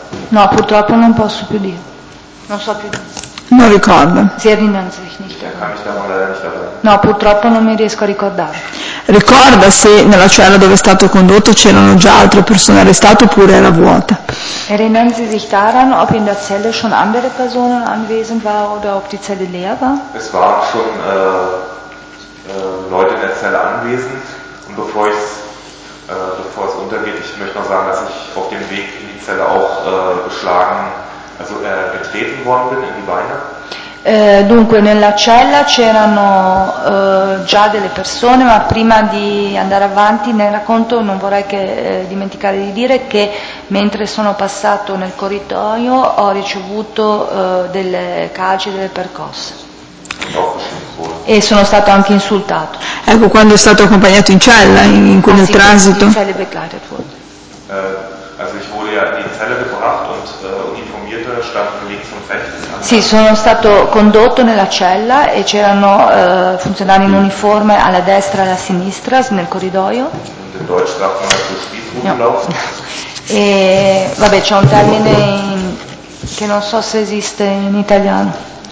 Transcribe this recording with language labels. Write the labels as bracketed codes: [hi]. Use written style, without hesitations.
[it] No, purtroppo non posso più dire. Non so più. Non ricordo. [de] Si erinnern sich nicht. [it] No, purtroppo non mi riesco a ricordare. Ricorda se nella cella dove è stato condotto c'erano già altre persone arrestate oppure era vuota. [de] Erinnern Sie sich daran, ob in der Zelle schon andere Personen anwesend war oder ob die Zelle leer war? Es waren schon Leute in der Zelle anwesend und bevor es untergeht, ich möchte noch sagen, dass ich auf dem Weg in die Zelle auch geschlagen, also getreten worden bin in die Beine. [it] Dunque, nella cella c'erano già delle persone, ma prima di andare avanti nel racconto non vorrei che dimenticare di dire che mentre sono passato nel corridoio ho ricevuto delle calci e delle percosse. E sono stato anche insultato. Ecco, quando è stato accompagnato in cella, in quel transito? [de] In celle begleitet wurde. Also ich wurde ja in die Zelle gebracht und Uniformierte standen links und rechts. [it] Sì, sono stato condotto nella cella e c'erano funzionari in uniforme alla destra e alla sinistra nel corridoio. [de] In Deutsch sagt man dazu Spießrutenlaufen. [it] E vabbè, c'è un termine che non so se esiste in italiano.